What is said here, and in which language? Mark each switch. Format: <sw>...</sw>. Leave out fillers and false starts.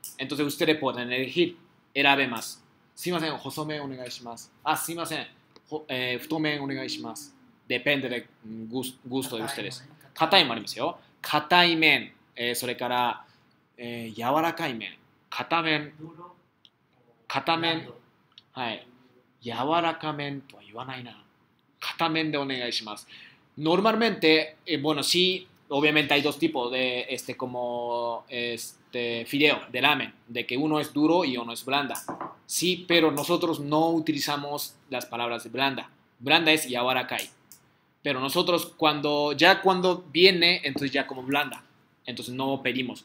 <es>Entonces ustedes pueden elegir、</es> <ja>選べます。すいません、細麺お願いします。あ、すいません、太麺お願いします。</ja> <es>Depende de gusto de ustedes。</es> <ja>硬いもありますよ。硬い麺、それから、柔らかい麺、硬麺、はい。柔らか麺とは言わないな。硬麺でお願いします。</ja> <es>Normalmente, bueno, sí, obviamente hay dos tipos de este como es,de fideo, de ramen, de que uno es duro y uno es blanda. Sí, pero nosotros no utilizamos las palabras de blanda. Blanda es yawarakai. Pero nosotros cuando viene, entonces ya como blanda. Entonces no pedimos.</es>